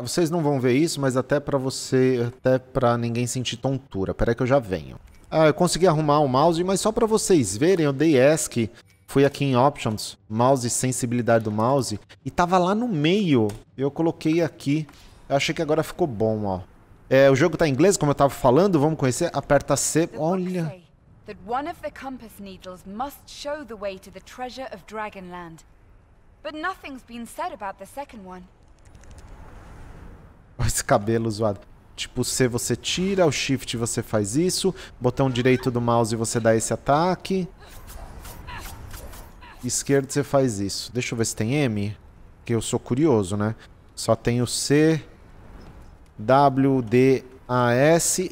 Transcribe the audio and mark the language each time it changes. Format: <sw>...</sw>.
<pt>Vocês não vão ver isso, mas até para você... Até para ninguém sentir tontura. Espera aí que eu já venho. Ah, eu consegui arrumar o mouse, mas só para vocês verem, eu dei ESC. Fui aqui em Options, mouse, sensibilidade do mouse. E tava lá no meio. Eu coloquei aqui. Eu achei que agora ficou bom, ó. É, o jogo tá em inglês, como eu tava falando. Vamos conhecer. Aperta C. Olha.</pt> <en>That one of the compass needles must show the way to the treasure of Dragonland. But nothing's been said about the second one.</en> <pt>Esse cabelo zoado. Tipo, C você tira, o shift você faz isso, botão direito do mouse você dá esse ataque. Esquerdo você faz isso. Deixa eu ver se tem M, que eu sou curioso, né? Só tem o C, W, D, A, S.</pt>